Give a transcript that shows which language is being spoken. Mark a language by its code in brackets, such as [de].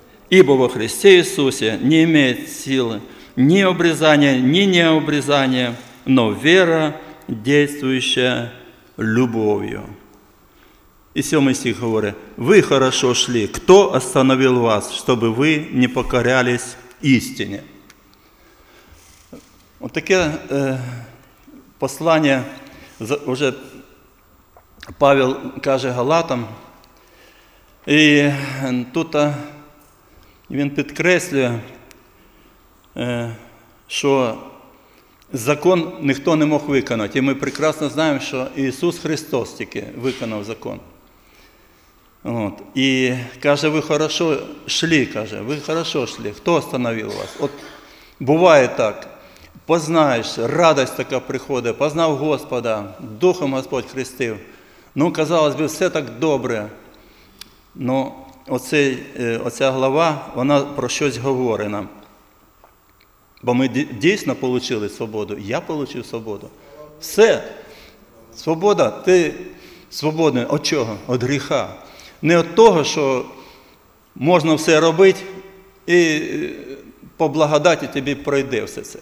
[ru] Ибо во Христе Иисусе не имеет силы ни обрезания, ни необрезания, но вера, действующая любовью. И 7 стих говорит, вы хорошо шли, кто остановил вас, чтобы вы не покорялись истине? Вот такое послание уже Павел [uk] каже Галатам, і тут він підкреслює, що закон ніхто не мог виконати. І ми прекрасно знаємо, що Ісус Христос тільки виконав закон. От. І каже, ви хорошо йшли, каже, ви хорошо йшли. Хто остановив вас? От буває так, познаєш, радість така приходить, познав Господа, Духом Господь хрестив. Ну, казалось би, все так добре. Ну, оця глава, вона про щось говорить нам. Бо ми дійсно отримали свободу. Я отримав свободу. Все. Свобода. Ти свободний. От чого? От гріха. Не от того, що можна все робити і по благодаті тобі пройде все це.